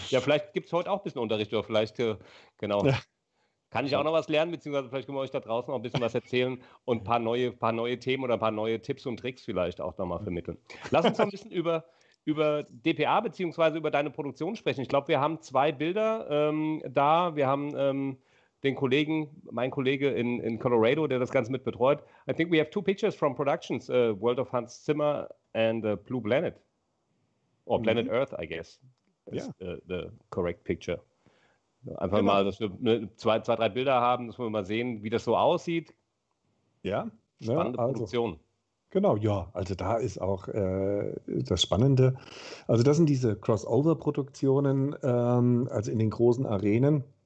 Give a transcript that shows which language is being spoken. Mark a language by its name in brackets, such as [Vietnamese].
[German] Ja, vielleicht gibt es heute auch ein bisschen Unterricht oder vielleicht, genau. Ja. Kann ich auch noch was lernen, beziehungsweise vielleicht können wir euch da draußen auch ein bisschen was erzählen und ein paar neue Themen oder ein paar neue Tipps und Tricks vielleicht auch nochmal vermitteln. Lass uns mal ein bisschen über DPA beziehungsweise über deine Produktion sprechen. Ich glaube, wir haben zwei Bilder da. Wir haben den Kollegen, mein Kollege in Colorado, der das Ganze mit betreut. [English] I think we have two pictures from productions, World of Hans Zimmer and Blue Planet. Or Planet Earth, I guess, is the correct picture. [German] Einfach mal, dass wir zwei, drei Bilder haben, dass wir mal sehen, wie das so aussieht. Ja. Spannende Produktion. Genau, ja. Also da ist auch das Spannende. Also das sind diese Crossover-Produktionen, also in den großen Arenen.